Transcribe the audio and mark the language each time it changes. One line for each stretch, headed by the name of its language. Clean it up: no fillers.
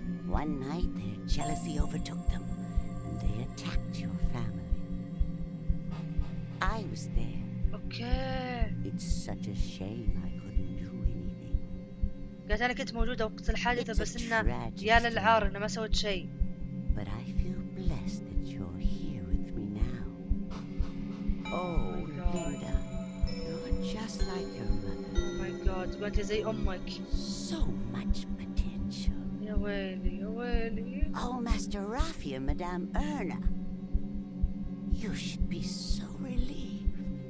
English: One night their jealousy overtook them, and they attacked your family. I was there. Okay. It's such a shame I couldn't do anything.
Arabic: قالت أنا كنت موجودة وقت الحادثة بس إن يا للعار إن ما سويت شيء.
English: But I feel blessed that you're here with me now. Oh, oh Linda, you're just like your mother. Oh my God, what is it, Mike? So much potential.
Arabic: Ya weli, ya weli.
English: Oh, Master Rafi and Madame Erna, you should be so relieved.